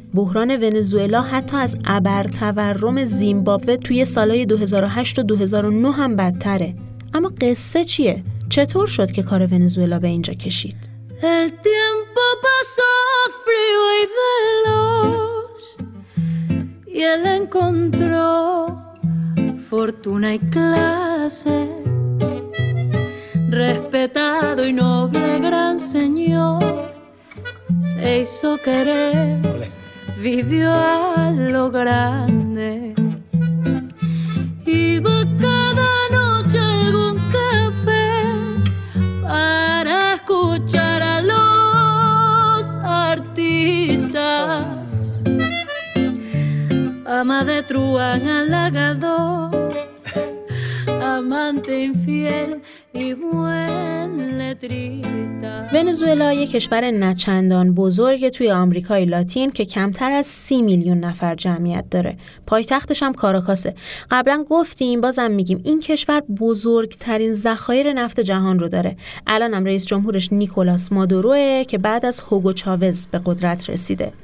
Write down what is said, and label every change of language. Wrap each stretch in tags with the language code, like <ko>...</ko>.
<fa>بحران ونزوئلا حتی از ابر تورم زیمبابوه توی سالهای 2008 و 2009 هم بدتره. اما قصه چیه؟ چطور شد که کار ونزوئلا به اینجا کشید؟</fa> <es>El tiempo pasó frío y veloz Y él encontró fortuna y clase Respetado y noble gran señor Se hizo querer, vivió a lo grande Iba cada noche algún café Para escuchar a los artistas Ama de truán halagador, amante infiel y buen letrista.</es> <fa>ونزوئلا یک کشور نچندان بزرگ توی آمریکای لاتین که کمتر از 30 میلیون نفر جمعیت داره. پایتختش هم کاراکاسه. قبلا گفتیم، بازم میگیم، این کشور بزرگترین ذخایر نفت جهان رو داره. الان هم رئیس جمهورش نیکولاس مادوروه که بعد از هوگو چاوز به قدرت رسیده.</fa>